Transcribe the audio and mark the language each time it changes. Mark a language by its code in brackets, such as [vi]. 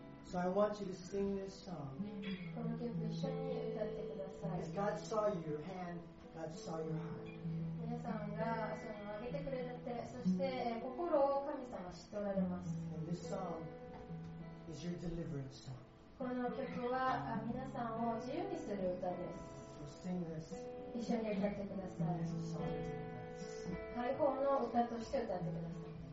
[en] So I want you to sing this song. [ja] この曲一緒に歌ってください。 [en] If God saw you, your hand, God saw your heart. [ja] 皆さんがその上げてくれて、そして心を神様は知っておられます。 [en] And this song is your deliverance song. [ja] この曲は皆さんを自由にする歌です。 [en] So sing this. [ja] 一緒に歌ってください。解放の歌として歌ってください。